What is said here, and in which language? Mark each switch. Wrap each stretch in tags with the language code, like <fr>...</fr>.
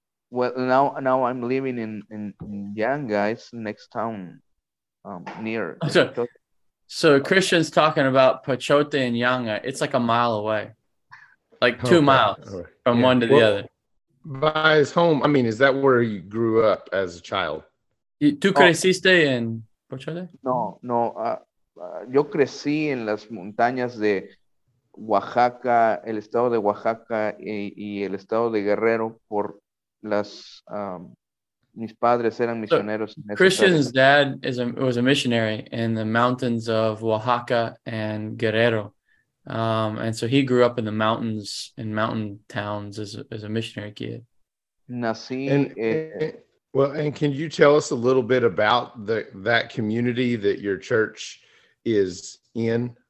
<en>Well, now I'm living in Yanga's next town near Pochote. So Christian's talking about Pochote and Yanga. It's like a mile away, like 2 miles from one to the other. By his home, I mean, is that where you grew up as a child?</en> <es>¿Tú creciste en Pochote? No. Yo crecí en las montañas de Oaxaca, el estado de Oaxaca y el estado de Guerrero por las... mis padres eran misioneros.</es> <en>So, Christian's dad was a missionary in the mountains of Oaxaca and Guerrero. And so he grew up in the mountains, in mountain towns as a missionary kid.</en> <es>Nací.</es> <en>And can you tell us a little bit about that community that your church is in?</en>